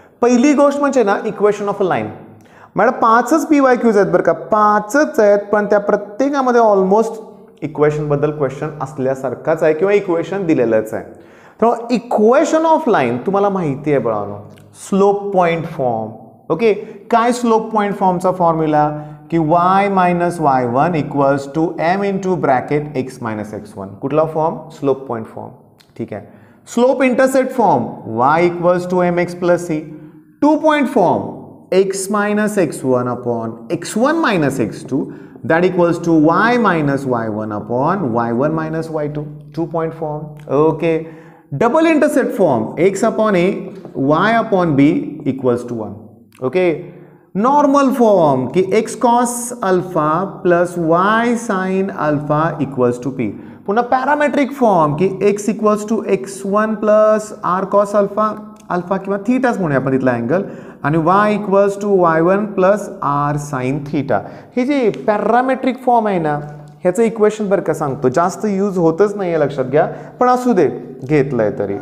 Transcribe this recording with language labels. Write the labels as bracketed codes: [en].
[mr] पहिली गोष्ट म्हणजे ना equation of a line. Madam पाचच पी वाय क्यूज आहेत बरं का, पाचच आहेत, पण त्या प्रत्येकामध्ये ऑलमोस्ट इक्वेशनबद्दल क्वेश्चन असल्यासारखाच आहे किंवा इक्वेशन दिलेलंच आहे. तर इक्वेशन ऑफ लाईन तुम्हाला माहिती आहे बळानो, स्लोप पॉईंट फॉर्म. ओके, काय स्लोप पॉईंट फॉर्मचा फॉर्म्युला? [en] की Y minus Y one equals to M into bracket X minus X one. [mr] कुठला फॉर्म? [en] Slope point form. [mr] ठीक आहे. [en] Slope intercept form Y equals to M X plus C. Two point form X minus X one upon X one minus X two, that equals to Y minus Y one upon Y one minus Y two. Two point form. Okay, double intercept form X upon A Y upon B equals to one. Okay, normal form की X cos alpha plus Y sine alpha equals to P. पुन्हा parametric form की X equals to X one plus R cos alpha, alpha [mr] किंवा थीटाच म्हणूया आपण तिथला angle, [en] आणि Y equals to Y one plus R sine theta. [mr] हे जे parametric form आहे ना, ह्याचं इक्वेशन बरं का सांगतो, जास्त यूज होतच नाही आहे लक्षात घ्या, पण असू दे घेतलं आहे तरी.